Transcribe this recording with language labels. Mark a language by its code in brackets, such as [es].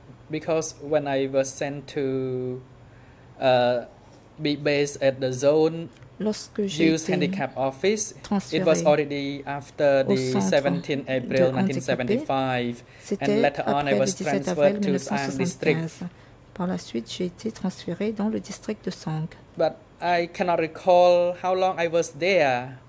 [en] Because when I was sent to be based at the zone [fr] Lorsque [en] youth handicap office, it was already after the 17 April 1975, and later on I was transferred to Soeun district. [fr] Par la suite, j'ai été transféré dans le district de Soeun. [en] But I cannot recall how long I was there.